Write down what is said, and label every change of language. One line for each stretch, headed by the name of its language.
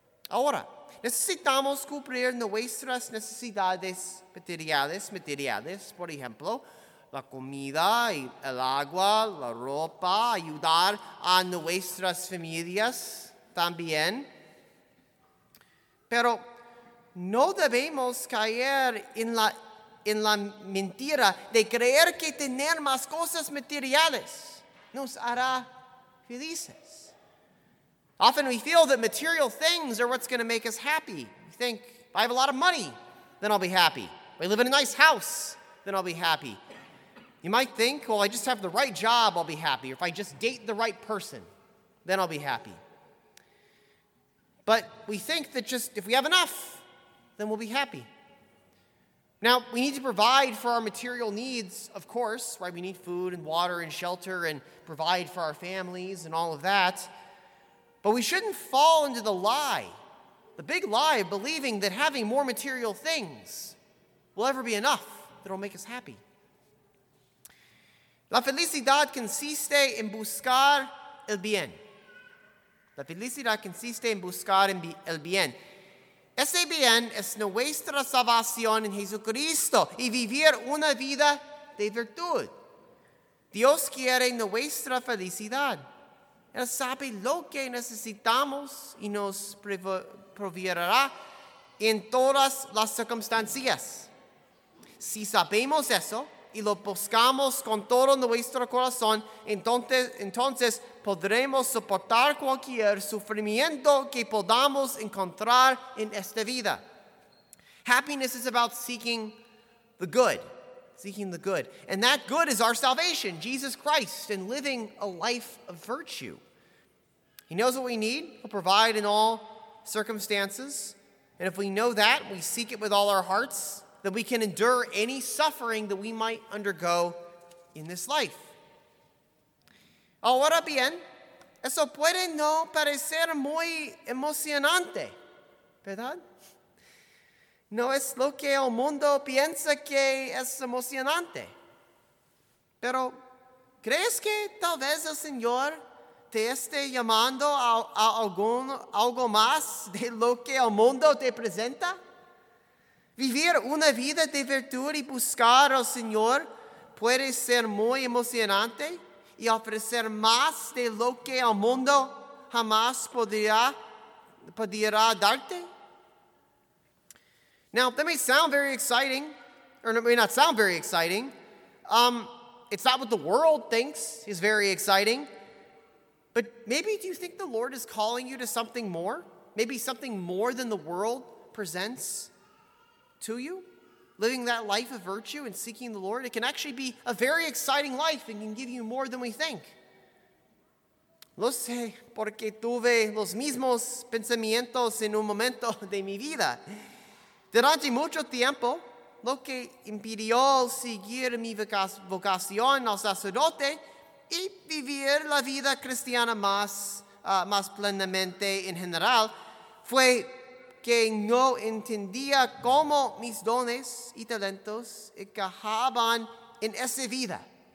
Spanish: Ahora, necesitamos cumplir nuestras necesidades materiales, por ejemplo, la comida, el agua, la ropa, ayudar a nuestras familias también. Pero no debemos caer en la mentira de creer que tener más cosas materiales nos hará felices.
English: Often we feel that material things are what's going to make us happy. We think, if I have a lot of money, then I'll be happy. If I live in a nice house, then I'll be happy. You might think, well, I just have the right job, I'll be happy. Or if I just date the right person, then I'll be happy. But we think that just if we have enough, then we'll be happy. Now, we need to provide for our material needs, of course, right? We need food and water and shelter and provide for our families and all of that. But we shouldn't fall into the lie, the big lie of believing that having more material things will ever be enough, that will make us happy.
Spanish: La felicidad consiste en buscar el bien. La felicidad consiste en buscar el bien. Ese bien es nuestra salvación en Jesucristo y vivir una vida de virtud. Dios quiere nuestra felicidad. Él sabe lo que necesitamos y nos proveerá en todas las circunstancias. Si sabemos eso y lo buscamos con todo nuestro corazón, entonces podremos soportar cualquier sufrimiento que podamos encontrar en esta vida.
English: Happiness is about seeking the good. Seeking the good. And that good is our salvation, Jesus Christ, and living a life of virtue. He knows what we need. He'll provide in all circumstances. And if we know that, we seek it with all our hearts, that we can endure any suffering that we might undergo in this life.
Spanish: Ahora bien, eso puede no parecer muy emocionante, ¿verdad? No es lo que el mundo piensa que es emocionante. Pero, ¿crees que tal vez el Señor te esté llamando a algo más de lo que el mundo te presenta? Vivir una vida de virtud y buscar al Señor puede ser muy emocionante y ofrecer más de lo que el mundo jamás podría darte.
English: Now, that may sound very exciting, or it may not sound very exciting. It's not what the world thinks is very exciting. But maybe do you think the Lord is calling you to something more? Maybe something more than the world presents to you? Living that life of virtue and seeking the Lord, it can actually be a very exciting life and can give you more than we think.
Spanish: Lo sé porque tuve los mismos pensamientos en un momento de mi vida. Durante mucho tiempo, lo que impidió seguir mi vocación al sacerdote y vivir la vida cristiana más plenamente en general fue que no entendía cómo mis dones y talentos encajaban en esa vida.